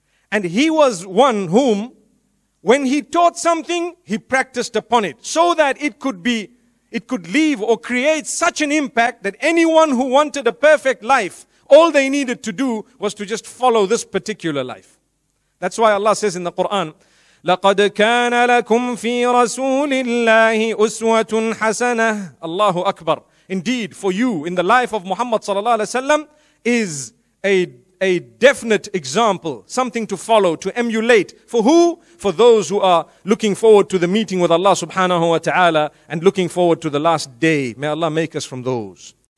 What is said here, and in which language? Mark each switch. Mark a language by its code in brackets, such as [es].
[en] And he was one whom, when he taught something, he practiced upon it, so that it could leave or create such an impact that anyone who wanted a perfect life, all they needed to do was to just follow this particular life. That's why Allah says in the Quran, [ar] لَقَدْ كَانَ لَكُمْ فِي رَسُولِ اللَّهِ أُسْوَةٌ حَسَنَةٌ. Allahu Akbar. [en] Indeed, for you in the life of Muhammad sallallahu alaihi wasallam is a definite example, something to follow, to emulate. For who? For those who are looking forward to the meeting with Allah subhanahu wa ta'ala and looking forward to the last day. May Allah make us from those.